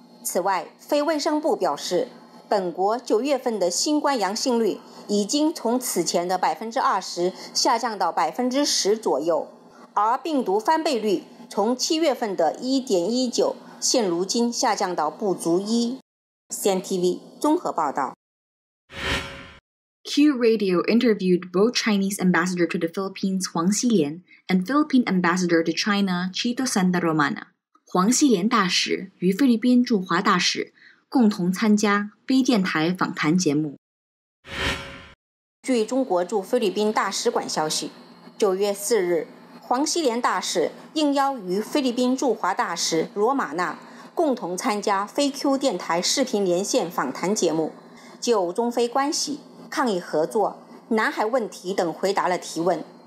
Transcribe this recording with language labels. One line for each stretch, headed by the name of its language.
Chinese: 此外，非卫生部表示，本国9月份的新冠阳性率已经从此前的20%下降到10%左右，而病毒翻倍率从7月份的1.19%现如今下降到不足1%。 Cntv 综合报道。
English: Q Radio interviewed both Chinese ambassador to the Philippines, Huang Xilian, and Philippine ambassador to China, Chito Santa Romana.
Chinese: 黄西莲大使与菲律宾驻华大使共同参加非电台访谈节目。据中国驻菲律宾大使馆消息，9月4日，黄西莲大使应邀与菲律宾驻华大使罗马纳共同参加非 Q 电台视频连线访谈节目，就中非关系、抗疫合作、南海问题等回答了提问。